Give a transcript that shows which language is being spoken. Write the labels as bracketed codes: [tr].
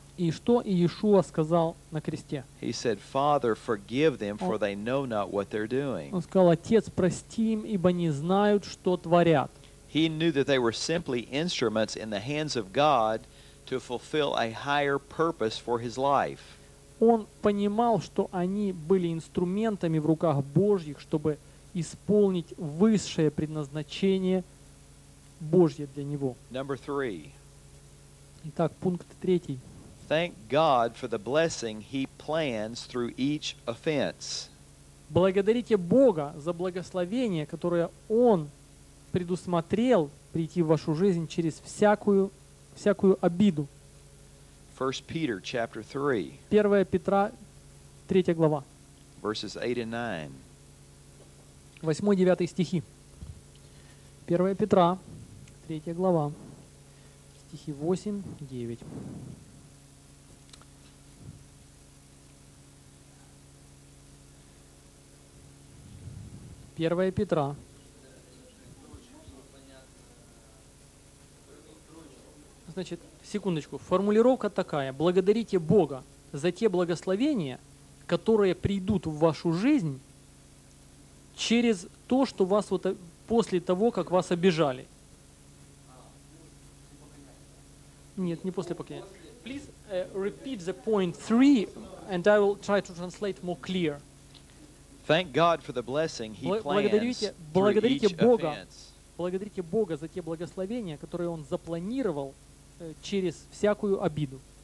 [ru] И что Иешуа сказал на кресте? [en] He said, "Father, forgive them, for they know not what they're doing." [ru] Он сказал: "Отец, прости им, ибо не знают, что творят." [en] He knew that they were simply instruments in the hands of God to fulfill a higher purpose for his life. [ru] он понимал, что они были инструментами в руках Божьих, чтобы исполнить высшее предназначение Божье для него. [en] Number three. [ru] Итак, пункт третий. [en] Thank God for the blessing He plans through each offense. [ru] Благодарите Бога за благословение, которое Он предусмотрел прийти в вашу жизнь через всякую обиду. [en] 1 Peter chapter 3. [ru] 1 Петра, 3 глава. [en] Verses 8 and 9. [ru] 8-9 стихи. 1 Петра, 3 глава. Стихи 8-9. 1 Петра. Значит, секундочку. Формулировка такая. Благодарите Бога за те благословения, которые придут в вашу жизнь через то, что вас вот после того, как вас обижали. Нет, не после покаяния. [en] Please repeat the point three, and I will try to translate more clear. Thank God for the blessing He plans. [ru] Благодарите Бога. Благодарите Бога за те благословения, которые Он запланировал через всякую обиду.